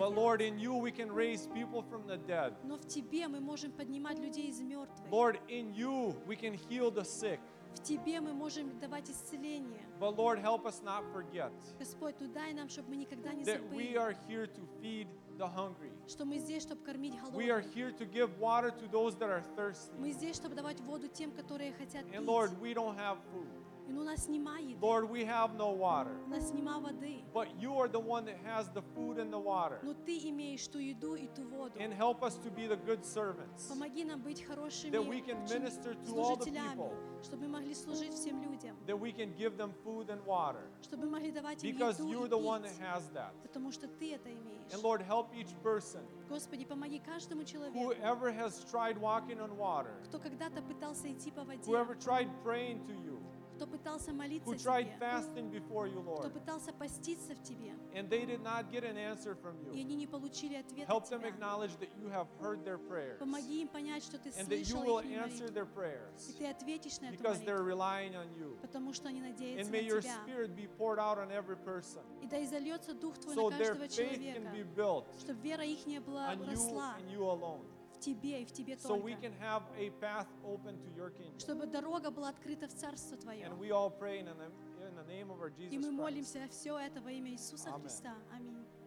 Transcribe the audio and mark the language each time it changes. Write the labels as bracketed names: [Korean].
[English] But Lord, in you we can raise people from the dead. [Russian] Но в Тебе мы можем поднимать людей из мертвых. [English] Lord, in you we can heal the sick. [Russian] В Тебе мы можем давать исцеление. [English] But Lord, help us not forget. [Russian] Господь, ну дай нам, чтобы мы никогда не забыли. [English] That we are here to feed the hungry. [Russian] Что мы здесь, чтобы кормить голодных. [English] We are here to give water to those that are thirsty. [Russian] Мы здесь, чтобы давать воду тем, которые хотят пить. [English] And Lord, we don't have food. [Russian] И у нас нема еды. [English] Lord, we have no water. [Russian] У нас нема воды. [English] But you are the one that has the food and the water. [Russian] Но ты имеешь ту еду и ту воду. [English] And help us to be the good servants. [Russian] Помоги нам быть хорошими. [English] That we can minister to all the people. [Russian] Чтобы мы могли служить всем людям. [English] That we can give them food and water. [Russian] Чтобы мы могли давать им еду. [English] Because you're the one that has that. [Russian] Потому что ты это имеешь. [English] And Lord, help each person. [Russian] Господи, помоги каждому человеку. [English] Whoever has tried walking on water. [Russian] Кто когда-то пытался идти по воде. [English] Whoever tried praying to you. [Russian] Кто пытался молиться тебе. [English] Who tried fasting before you, Lord. [Russian] Кто пытался поститься в тебе. [English] And they did not get an answer from you. [Russian] И они не получили ответ от тебя. [English] Help them acknowledge that you have heard their prayers. [Russian] Помоги им понять, что ты слышал их. [English] And that you will answer their prayers. [Russian] И ты ответишь на эту [English] молитву. Because they're relying on you. [Russian] Потому что они надеются на тебя. [English] And may your spirit be poured out on every person. [Russian] И да изольется дух твой на каждого человека. [English] So their faith can be built. [Russian] Чтобы вера ихняя была росла. [English] On you and you alone. So we can have a path open to your kingdom. [Russian] Чтобы дорога была открыта в царство твое. [English] And we all pray in the name of our Jesus Christ. [Russian] И мы молимся все это во имя Иисуса Христа. Аминь.